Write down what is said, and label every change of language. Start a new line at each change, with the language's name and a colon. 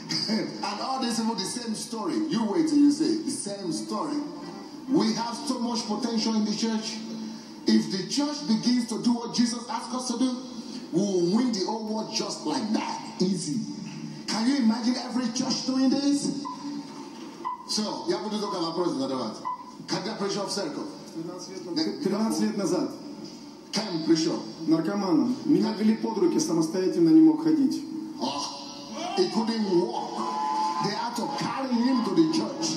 English: And all this is the same story. You wait till you see the same story. We have so much potential in the church. If the church begins to do what Jesus asked us to do, we will win the whole world just like that. Easy. Can you imagine every church doing this?
Russian: So, я буду только вопросы задавать. Когда пришел в церковь? 13 лет назад. Кем пришел? Наркоманом. Меня вели под руки, самостоятельно не мог ходить.
English: Oh, he couldn't walk. They had to carry him to the church.